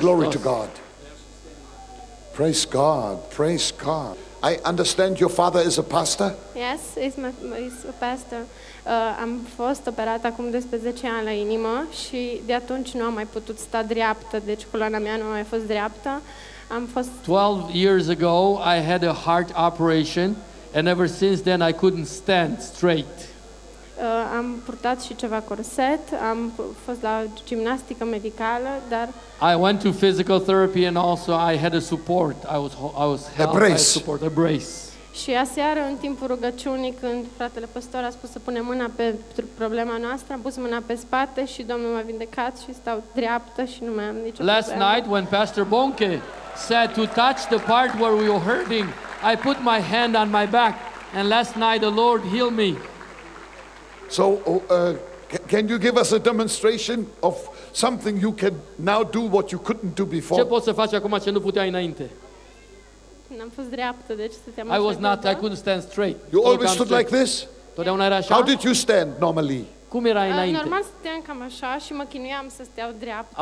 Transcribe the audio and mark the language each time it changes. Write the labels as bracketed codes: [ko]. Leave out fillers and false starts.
[en] Glory to God. Praise God. Praise God. I understand your father is a pastor? Yes, he's a pastor. [ro] Am fost operat acum 12 ani la inimă și de atunci nu am mai putut sta dreaptă, deci coloana mea nu a mai fost dreaptă. Am fost [en] 12 years ago, I had a heart operation and ever since then I couldn't stand straight. [ro] Am purtat și ceva corset, am fost la gimnastică medicală, dar [en] I went to physical therapy and also I had a support. I was helped by a support, a brace. [ro] Și aseară în timpul rugăciunii când fratele pastor a spus să punem mâna pe problema noastră, am pus mâna pe spate și Domnul m-a vindecat și stau dreaptă și nu mai am nicio problemă. [en] Last night when Pastor Bonke said to touch the part where we were hurting, I put my hand on my back and last night the Lord healed me. So can you give us a demonstration of something you can now do what you couldn't do before? [ro] Ce poți să faci acum ce nu puteai înainte? N-am fost dreaptă, deci stăteam așa. [en] I couldn't stand straight. You always stood like this? [ro] Totdeauna era așa. [en] How did you stand normally? [ro] Cum era înainte? Normal stăteam cam așa și mă chinuiam să stau dreaptă.